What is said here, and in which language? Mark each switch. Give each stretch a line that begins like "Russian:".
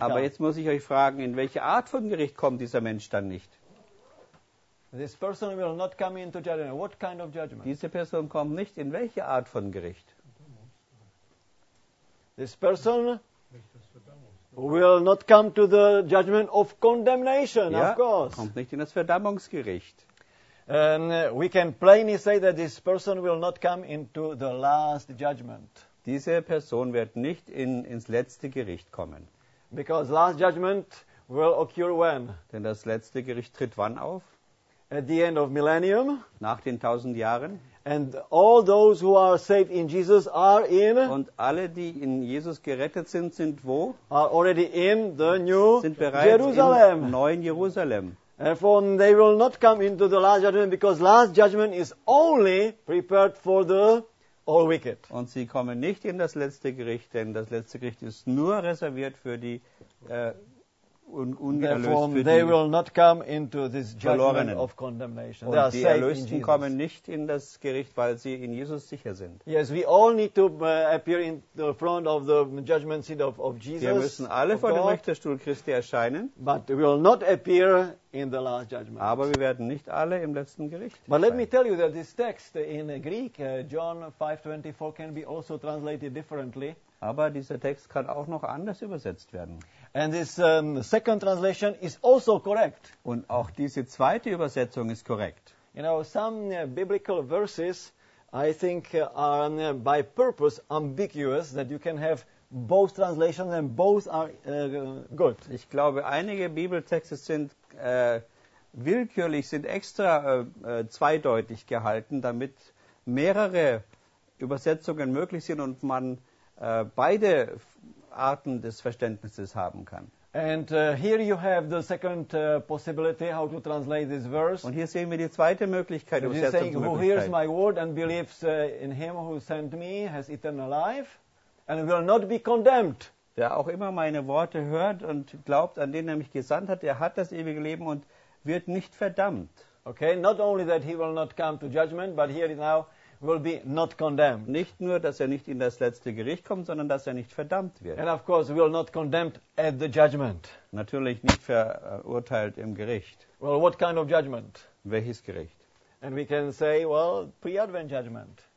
English: come?
German: Aber jetzt muss ich euch fragen, in welche Art von Gericht kommt dieser Mensch dann nicht?
English: This person will not come into judgment. What kind of judgment?
German: Diese Person kommt nicht in welche Art von Gericht?
English: This person will not come to the judgment of condemnation,
German: ja,
English: of course.
German: Kommt nicht in das Verdammungsgericht.
English: And we can plainly say that this person will not come into the last judgment.
German: Diese Person wird nicht ins letzte Gericht kommen.
English: Because last judgment will occur when?
German: Denn das letzte Gericht tritt wann auf?
English: At the end of millennium.
German: Nach den 1000 Jahren.
English: And all those who are saved in Jesus are in.
German: Und alle, die in Jesus gerettet sind, sind wo?
English: Are already in the new
German: sind bereits
English: Jerusalem.
German: In neuen Jerusalem.
English: Therefore, they will not come into the last judgment because last judgment is only prepared for the all wicked.
German: Und sie kommen nicht in das letzte Gericht, denn das letzte Gericht ist nur reserviert für die
English: therefore, they will not come into this judgment of condemnation.
German: Und die Erlösten kommen nicht in das Gericht, weil sie in Jesus sicher sind.
English: Yes, we all need to appear in the front of the judgment seat of Jesus.
German: Wir müssen alle vor dem Richterstuhl Christi erscheinen.
English: But we will not appear in the last judgment.
German: Aber wir werden nicht alle im letzten Gericht.
English: But let me tell you that this text in Greek, John 5:24, can be also translated differently.
German: Aber dieser Text kann auch noch anders übersetzt werden.
English: And this second translation is also correct.
German: Und auch diese zweite Übersetzung ist korrekt.
English: You know, some biblical verses, I think, are by purpose ambiguous, that you can have both translations and both are good.
German: Ich glaube, einige Bibeltexte sind willkürlich, sind extra zweideutig gehalten, damit mehrere Übersetzungen möglich sind und man beide Arten des Verständnisses haben kann.
English: And here you have the second possibility how to translate this verse.
German: Und hier sehen wir die zweite Möglichkeit, so Übersetzungsmöglichkeit.
English: Who hears my word and believes in him who sent me has eternal life and will not be condemned.
German: Wer auch immer meine Worte hört und glaubt an den, der mich gesandt hat, der hat das ewige Leben und wird nicht verdammt.
English: Okay, not only that he will not come to judgment, but here now will be not condemned.
German: Nicht nur, dass er nicht in das letzte Gericht kommt, sondern dass er nicht verdammt wird.
English: And of course, will not condemned at the judgment.
German: Natürlich nicht verurteilt im Gericht.
English: Well, what kind of judgment?
German: Welches Gericht?
English: And we can say, well, pre-Advent judgment.